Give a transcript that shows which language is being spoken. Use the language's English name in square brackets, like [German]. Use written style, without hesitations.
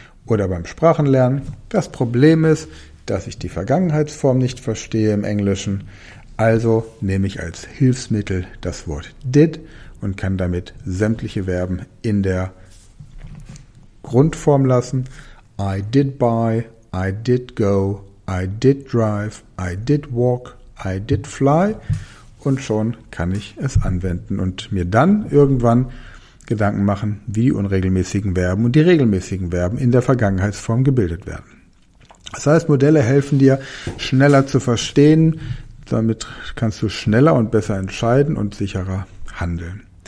[German] Oder beim Sprachenlernen. Das Problem ist, dass ich die Vergangenheitsform nicht verstehe im Englischen. Also nehme ich als Hilfsmittel das Wort did und kann damit sämtliche Verben in der Grundform lassen. [English] I did buy, I did go, I did drive, I did walk, I did fly. [German] Und schon kann ich es anwenden und mir dann irgendwann Gedanken machen, wie die unregelmäßigen Verben und die regelmäßigen Verben in der Vergangenheitsform gebildet werden. Das heißt, Modelle helfen dir, schneller zu verstehen. Damit kannst du schneller und besser entscheiden und sicherer handeln.